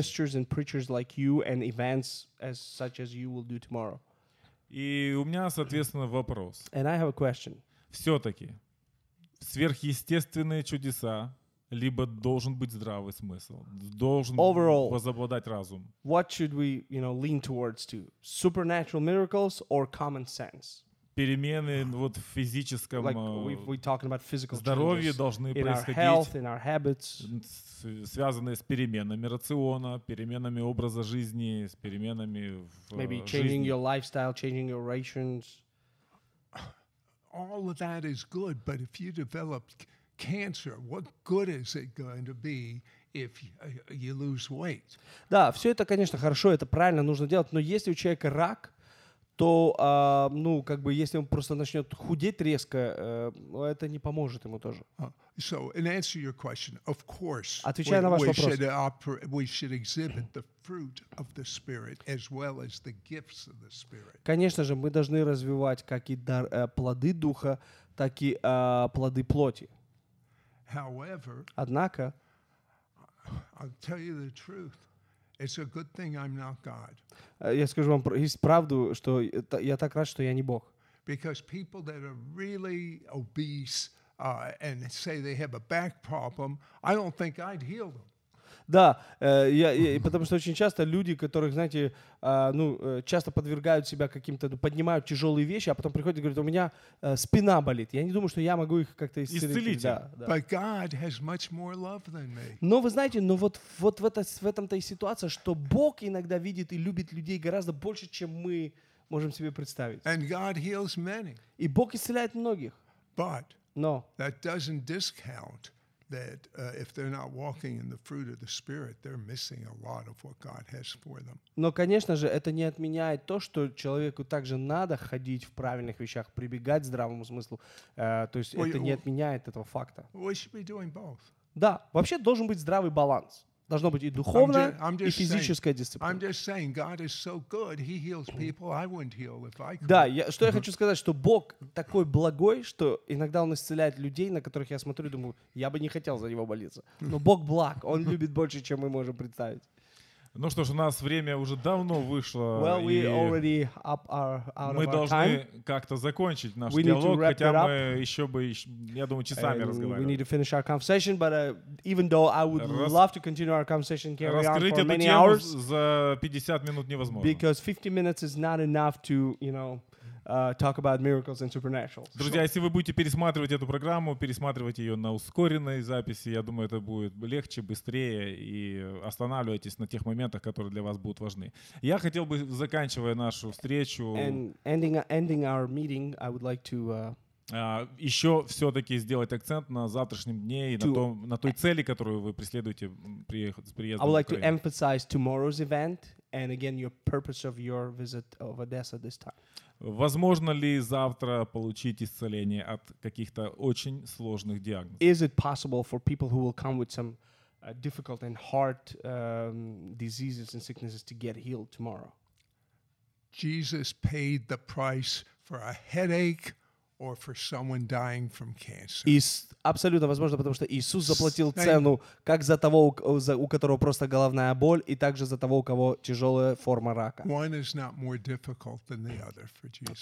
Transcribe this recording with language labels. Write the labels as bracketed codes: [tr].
[en] Ministers and preachers like you and events as such as you will do tomorrow. [ru] И у меня, соответственно, вопрос. [en] And I have a question. [ru] Все-таки сверхъестественные чудеса либо должен быть здравый смысл, должен [en] Overall, [ru] возобладать разум. [en] What should we, you know, lean towards to? Supernatural miracles or common sense? [ru] Перемены вот в физическом [en] like we're talking about physical [ru] здоровье [en] changes [ru] должны [en] in [ru] происходить, [en] our health, in our habits, [ru] связанные с переменами рациона, переменами образа жизни, с переменами в [en] Maybe [ru] жизни. [en] Changing your lifestyle, changing your rations. All of that is good, but if you develop cancer, what good is it going to be if you lose weight? [ru] Да, все это, конечно, хорошо, это правильно, нужно делать, но если у человека рак, то, ну, как бы, если он просто начнет худеть резко, это не поможет ему тоже. [en] So, in answer to your question, of course, [ru] отвечая на ваш вопрос, [en] we should exhibit the fruit of the Spirit as well as the gifts of the Spirit. [ru] Конечно же, мы должны развивать как и дар, плоды духа, так и плоды плоти. [en] However, [ru] однако, [en] I'll tell you the truth. It's a good thing I'm not God. [ru] Я скажу вам правду, что я так рад, что я не Бог. [en] Because people that are really obese and say they have a back problem, I don't think I'd heal them. [ru] Да, потому что очень часто люди, которых, знаете, ну, часто подвергают себя каким-то, поднимают тяжелые вещи, а потом приходят и говорят, у меня спина болит. Я не думаю, что я могу их как-то исцелить. Да, да. [en] But God has much more love than me. [ru] Но вы знаете, но вот в этом-то и ситуация, что Бог иногда видит и любит людей гораздо больше, чем мы можем себе представить. [en] And God heals many. [ru] И Бог исцеляет многих. [en] But [ru] но [en] that doesn't discount that if they're not walking in the fruit of the Spirit, they're missing a lot of what God has for them. [ru] Но, конечно же, это не отменяет то, что человеку также надо ходить в правильных вещах, прибегать к здравому смыслу. То есть это не отменяет этого факта. [en] We should be doing both. [ru] Да, вообще должен быть здравый баланс. Должно быть и духовная, и физическая дисциплина. [en] I'm just saying, God is so good, he heals people, I wouldn't heal if I could. [ru] Да, что я хочу сказать, что Бог такой благой, что иногда он исцеляет людей, на которых я смотрю и думаю, я бы не хотел за него болеться. Но Бог благ, он любит больше, чем мы можем представить. Ну что ж, у нас время уже давно вышло, [en] well, [ru] и мы должны как-то закончить наш диалог, хотя мы еще бы, я думаю, часами разговаривали. Раскрыть эту тему за 50 минут невозможно. [en] Because 50 minutes is not enough to, you know, talk about miracles and supernaturals. [ru] Друзья, если вы будете пересматривать эту программу, пересматривать ее на ускоренной записи, я думаю, это будет легче, быстрее, и останавливайтесь на тех моментах, которые для вас будут важны. Я хотел бы, заканчивая нашу встречу, [en] ending our meeting, I would like to [ru] еще все-таки сделать акцент на завтрашнем дне и на той цели, которую вы преследуете с приездом. [en] I would like to emphasize tomorrow's event and again your purpose of your visit of Odessa this time. [ru] Возможно ли завтра получить исцеление от каких-то очень сложных диагнозов? [en] Is it possible for people who will come with some difficult and hard diseases and sicknesses to get healed tomorrow? Jesus paid the price for a headache or for someone dying from cancer. [ru] Абсолютно возможно, потому что Иисус заплатил цену как за того, у которого просто головная боль, и также за того, у кого тяжелая форма рака. [en] One is not more difficult than the other for Jesus.